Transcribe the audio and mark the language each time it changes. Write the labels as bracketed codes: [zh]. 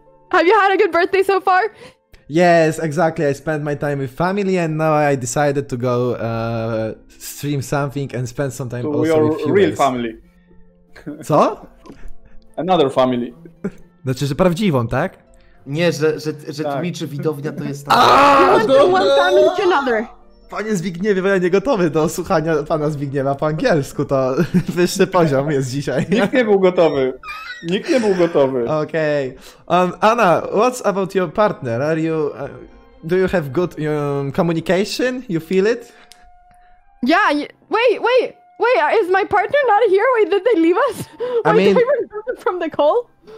[en] Have you had a good birthday so far? Yes, exactly. I spent my time with family, and now I decided to go stream something and spend some time. So also we are with real family. [pl] Co? [en] Another family. [pl] Znaczy, że prawdziwą, tak? Nie, że tak. Twitch widownia to jest. [en] One family to another. [pl] Panie Zbigniewie, bo ja nie gotowy do słuchania pana Zbigniewa po angielsku, to wyższy poziom jest dzisiaj. Nikt nie był gotowy. Okej. Okay. [en] Anna, what's about your partner? Are you... do you have good communication? You feel it? Yeah, wait, is my partner not here? Wait, did they leave us? I mean, from the call?